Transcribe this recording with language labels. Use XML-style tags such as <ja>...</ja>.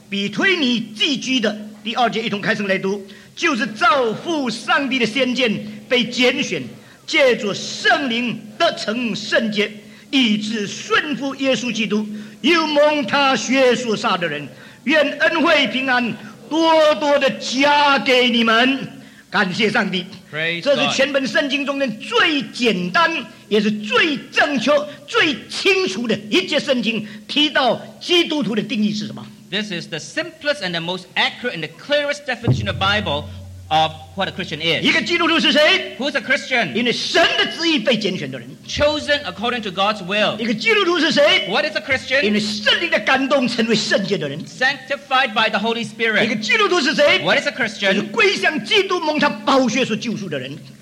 <zh>耶稣基督的使徒彼得写信给那分散在本都、加拉太、加不多加、亚细亚、比推尼寄居的。第二节一同开声来读。就是造父上帝的先见被拣选，借着圣灵得成圣洁，以致顺服耶稣基督，又蒙他血所杀的人，愿恩惠平安多多的加给你们。感谢上帝。这是全本圣经中间最简单，也是最正确、最清楚的一节圣经，提到基督徒的定义是什么？</zh> <en>This is the simplest and the most accurate and the clearest definition of Bible of what a Christian is.</en> <zh>一个基督徒是谁?</zh> <en>Who's a Christian?</en> <zh>因为神的旨意被拣选的人。</zh> <en>Chosen according to God's will.</en> <zh>一个基督徒是谁?</zh> <en>What is a Christian?</en> <zh>因为圣灵的感动成为圣洁的人。</zh> <en>Sanctified by the Holy Spirit.</en> <zh>一个基督徒是谁?</zh> <en>What is a Christian?</en> <zh>就是归向基督蒙他宝血所救赎的人。</zh>